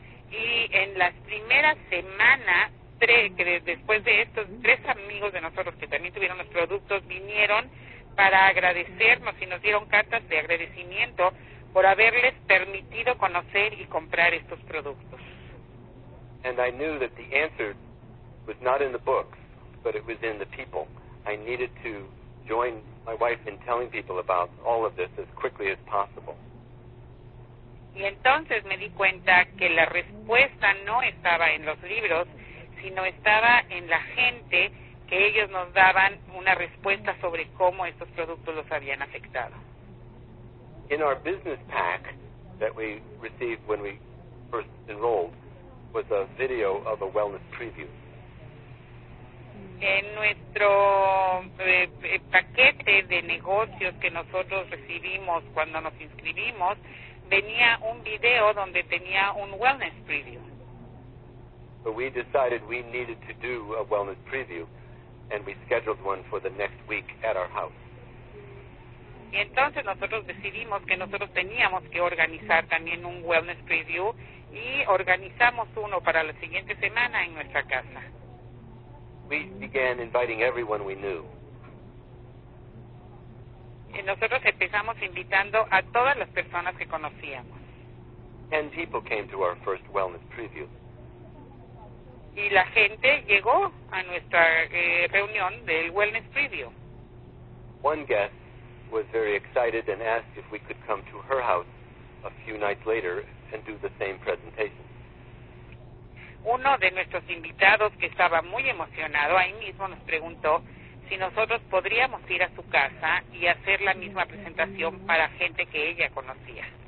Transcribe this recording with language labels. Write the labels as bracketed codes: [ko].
[es] Y en las primeras semanas, después de esto, tres amigos de nosotros que también tuvieron los productos vinieron para agradecernos y nos dieron cartas de agradecimiento por haberles permitido conocer y comprar estos productos. [en] And I knew that the answer was not in the books, but it was in the people. I needed to join my wife in telling people about all of this as quickly as possible. [es] Y entonces me di cuenta que la respuesta no estaba en los libros, sino estaba en la gente, que ellos nos daban una respuesta sobre cómo estos productos los habían afectado. [en] In our business pack that we received when we first enrolled was a video of a wellness preview. [es] En nuestro paquete de negocios que nosotros recibimos cuando nos inscribimos, venía un video donde tenía un wellness preview. [en] So we decided we needed to do a wellness preview, and we scheduled one for the next week at our house. [es] Y entonces nosotros decidimos que nosotros teníamos que organizar también un wellness preview, y organizamos uno para la siguiente semana en nuestra casa. [en] We began inviting everyone we knew. [es] Y nosotros empezamos invitando a todas las personas que conocíamos. [en] 10 people came to our first wellness preview. [es] Y la gente llegó a nuestra reunión del wellness preview. [en] One guest was very excited and asked if we could come to her house a few nights later and do the same presentation. [es] Uno de nuestros invitados, que estaba muy emocionado, ahí mismo nos preguntó si nosotros podríamos ir a su casa y hacer la misma presentación para gente que ella conocía.